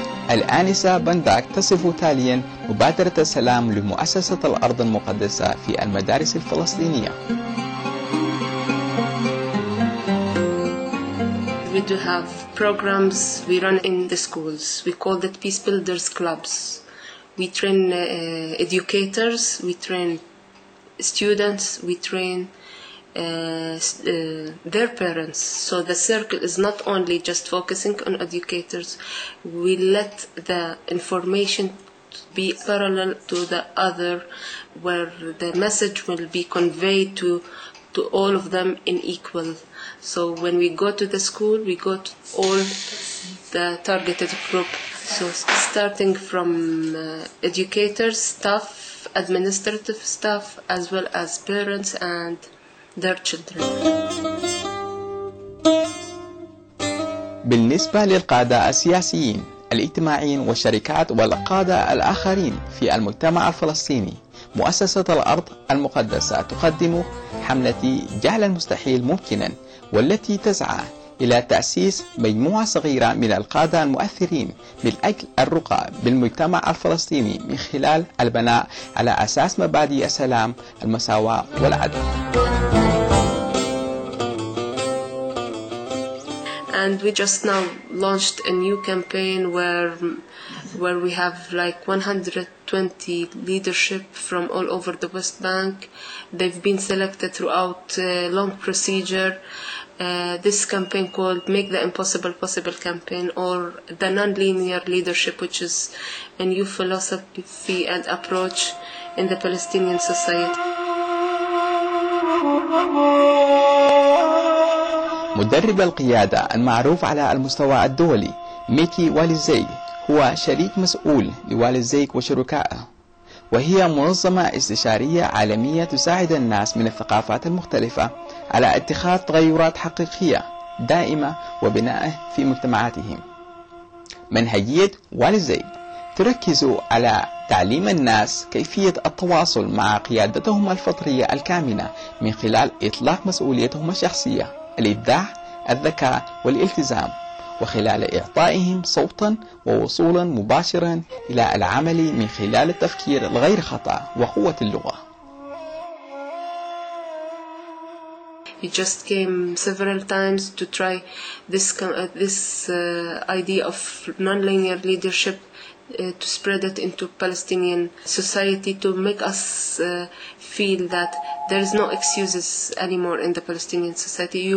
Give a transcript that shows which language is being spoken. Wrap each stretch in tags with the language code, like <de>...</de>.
<ar>الآنسة بندك تصف تاليا مبادرة السلام لمؤسسة الأرض المقدسة في المدارس الفلسطينية.</ar> <en>We do have programs we run in the schools. We call it Peace Builders Clubs. We train educators, we train students, we train their parents. So the circle is not only just focusing on educators. We let the information be parallel to the other, where the message will be conveyed to all of them in equal. So when we go to the school, we go to all the targeted group. So starting from educators, staff, administrative staff, as well as parents and their children.</en> <ar>بالنسبة للقادة السياسيين الاجتماعيين والشركات والقادة الآخرين في المجتمع الفلسطيني، مؤسسة الأرض المقدسة تقدم حملة جعل المستحيل ممكنا، والتي تسعى إلى تأسيس مجموعة صغيرة من القادة المؤثرين لأجل الرقى بالمجتمع الفلسطيني من خلال البناء على أساس مبادئ السلام، المساواة والعدل.</ar> <en>And we just now launched a new campaign where we have like 120 leadership from all over the West Bank. They've been selected throughout a long procedure. This campaign called Make the Impossible Possible campaign, or the Nonlinear Leadership, which is a new philosophy and approach in the Palestinian society.</en> <ar>مدرب القيادة المعروف على المستوى الدولي ميكي والزيك هو شريك مسؤول لوالزيك وشركائه، وهي منظمة استشارية عالمية تساعد الناس من الثقافات المختلفة على اتخاذ تغيرات حقيقية دائمة وبنائه في مجتمعاتهم. منهجية والزيك تركز على تعليم الناس كيفية التواصل مع قيادتهم الفطرية الكامنة من خلال إطلاق مسؤوليتهم الشخصية، الإبداع، الذكاء والالتزام، وخلال إعطائهم صوتا ووصولا مباشرا إلى العمل من خلال التفكير الغير خطأ وقوة اللغة.</ar> <en>He just came several times to try this idea of non-linear leadership to spread it into Palestinian society, to make us feel that there is no excuses anymore in the Palestinian society.</en>